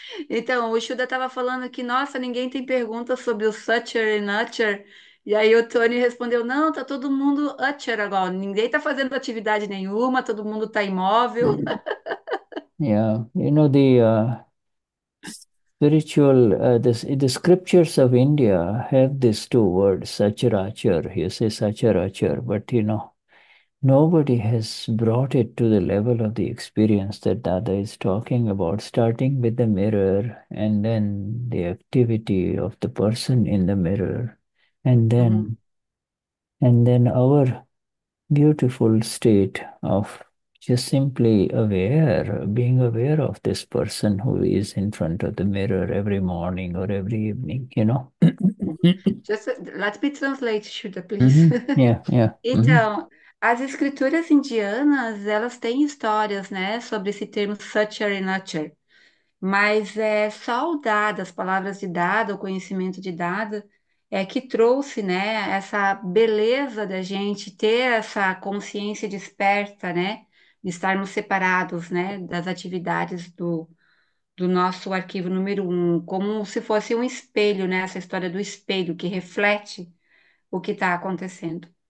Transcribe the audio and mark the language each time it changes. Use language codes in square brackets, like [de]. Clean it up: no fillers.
[pt] Então, o Shuda estava falando que, nossa, ninguém tem pergunta sobre o Sutcher e Nutcher. E aí o Tony respondeu, não, tá todo mundo Utcher agora. Ninguém tá fazendo atividade nenhuma, todo mundo tá imóvel. [en] Yeah, Spiritual, the scriptures of India have these two words, Sacharachar. You say Sacharachar, but nobody has brought it to the level of the experience that Dada is talking about, starting with the mirror and then the activity of the person in the mirror, and then our beautiful state of just simply aware, being aware of this person who is in front of the mirror every morning or every evening, Just let me translate, Shuda, please. [pt] Então, as escrituras indianas, elas têm histórias, né, sobre esse termo Sacher e Nacher, mas é só o Dada, as palavras de Dada, o conhecimento de Dada, é que trouxe, né, essa beleza da gente ter essa consciência desperta, né, de estarmos separados, né, das atividades do nosso arquivo número um, como se fosse um espelho, né, essa história do espelho que reflete o que está acontecendo.